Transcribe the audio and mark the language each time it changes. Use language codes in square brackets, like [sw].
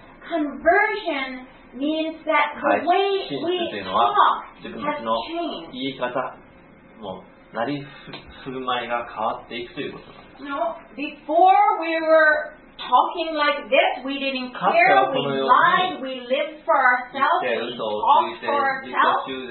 [en] Conversion means that the way we talk [ja] というのは自分たちの言い方、もうなり振る舞いが変わっていくということなんです。 [en] No, before we wereTalking like this, we didn't care. We lied. We lived for ourselves. We talked for ourselves.